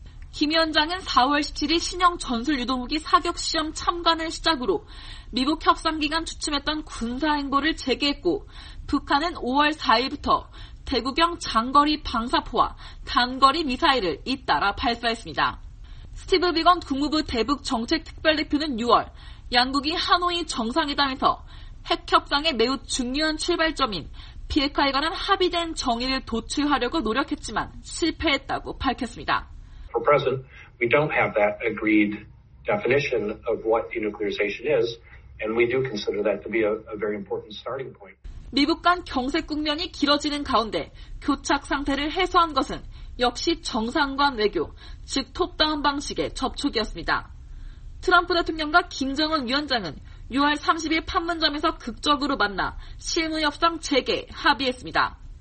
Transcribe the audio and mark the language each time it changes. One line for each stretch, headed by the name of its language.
Korean: 김 위원장은 4월 17일 신형 전술유도무기 사격시험 참관을 시작으로 미국 협상기간 주춤했던 군사행보를 재개했고 북한은 5월 4일부터 대구경 장거리 방사포와 단거리 미사일을 잇따라 발사했습니다. 스티브 비건 국무부 대북정책특별대표는 6월 양국이 하노이 정상회담에서 핵협상의 매우 중요한 출발점인 비핵화에 관한 합의된 정의를 도출하려고 노력했지만 실패했다고 밝혔습니다.
English: For present, we don't have that agreed definition of what denuclearization is, and we do consider that to be a very important starting point.
Korean: 미국 간 경색 국면이 길어지는 가운데 교착 상태를 해소한 것은 역시 정상관 외교, 즉 톱다운 방식의 접촉이었습니다. 트럼프 대통령과 김정은 위원장은 6월 30일 판문점에서 극적으로 만나 실무협상 재개 합의했습니다.